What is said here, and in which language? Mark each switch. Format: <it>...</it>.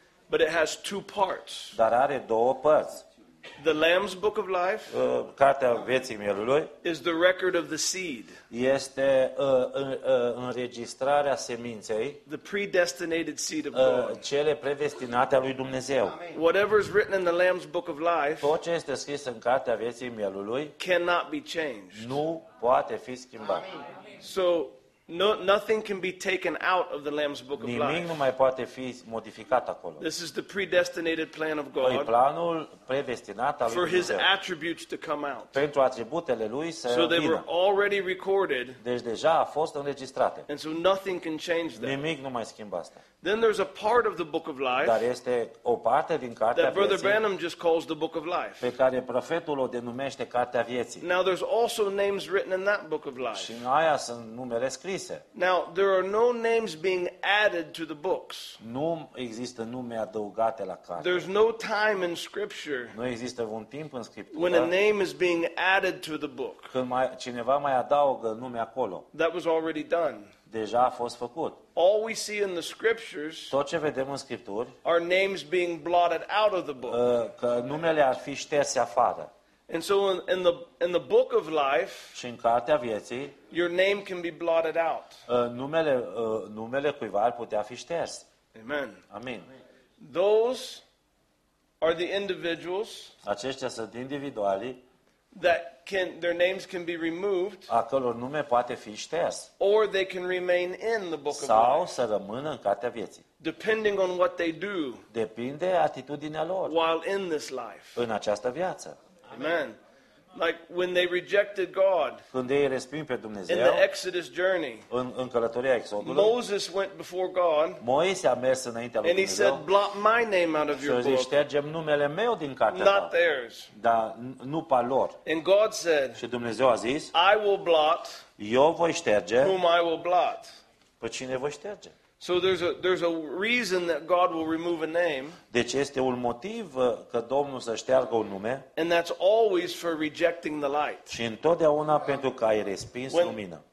<en>But it has two parts.</en> <ro>Dar are două părți.</ro> <en>The Lamb's Book of Life,</en> <ro>Cartea Vieții Mielului,</ro> <en>is the record of the seed.</en> <ro>Este înregistrarea seminței.</ro> <en>The predestinated seed of God.</en> <ro>Cele predestinate ale lui Dumnezeu.</ro> <en>Whatever is written in the Lamb's Book of Life,</en> <ro>tot ce este scris în Cartea Vieții Mielului,</ro> <en>cannot be changed.</en> <ro>Nu poate fi schimbat.</ro> <en>So no, nothing can be taken out of the Lamb's Book of Life.</en> <ro>Nimic nu mai poate fi modificat acolo.</ro> <en>This is the predestinated plan of God.</en> <ro>Planul predestinat al lui</ro> <en>Dumnezeu. For his attributes to come out.</en> <ro>Pentru atributele lui să vină.</ro> <en>So they were already recorded.</en> <ro>Deci deja a fost înregistrate.</ro> <en>And so nothing can change that.</en> <ro>Nimic nu mai schimbă asta.</ro> <en>Then there's a part of the Book of Life.</en> <ro>Dar este o parte din Cartea Vieții.</ro> <en>Brother Branham just calls the Book of Life.</en> <ro>Pe care profetul o denumește Cartea Vieții.</ro> <en>Now there's also names written in that Book of Life.</en> <ro>Și în aia sunt numele scrise.</ro> <en>Now there are no names being added to the books.</en> <ro>Nu există nume adăugate la carte.</ro> <en>There's no time in scripture.</en> <ro>Nu există un timp în scriptură.</ro> <en>When a name is being added to the book.</en> <ro>Când cineva mai adaugă nume acolo.</ro> <en>That was already done.</en> <ro>Deja a fost făcut.</ro> <en>All we see in the scriptures,</en> <ro>tot ce vedem în scripturi,</ro> <en>are names being blotted out of the book.</en> <ro>Că numele ar fi șterse afară.</ro> <en>And so in the book of life,</en> <ro>și în Cartea Vieții,</ro> <en>your name can be blotted out.</en> <ro>Numele cuiva ar putea fi șters.</ro> <en>Amen.</en> <ro>Amin.</ro> <en>Those are the individuals.</en> <ro>Aceștia sunt individualii.</ro> <en>That can, their names can be removed.</en> <ro>Acolo nume poate fi șters.</ro> <en>Or they can remain in the book of life.</en> <ro>Sau să rămână în Cartea Vieții.</ro> <en>Depending on what they do.</en> <ro>Depinde atitudinea lor.</ro> <en>While in this life.</en> <ro>În această viață.</ro> <en>Amen. Like when they rejected God.</en> <ro>Când ei resping pe Dumnezeu.</ro> <en>In the Exodus journey.</en> <ro>În călătoria Exodului.</ro> <en>Moses went before God.</en> <ro>Moise a mers înaintea lui Dumnezeu.</ro> <en>And he said, "Blot my name out of your book."</en> <ro>Și zice, ștergem numele meu din cartea ta.</ro> <en>Not theirs.</en> <ro>Dar nu pe lor.</ro> <en>And God said.</en> <ro>Și Dumnezeu a zis.</ro> <en>I will blot.</en> <ro>Eu voi șterge.</ro> <en>Whom I will blot.</en> <ro>Pe cine voi șterge?</ro> <en>So there's a reason that God will remove a name.</en> <ro>Deci este un motiv că Domnul să șteargă un nume.</ro> <en>And that's always for rejecting the light.</en> <ro>Și întotdeauna pentru că ai respins lumina.</ro>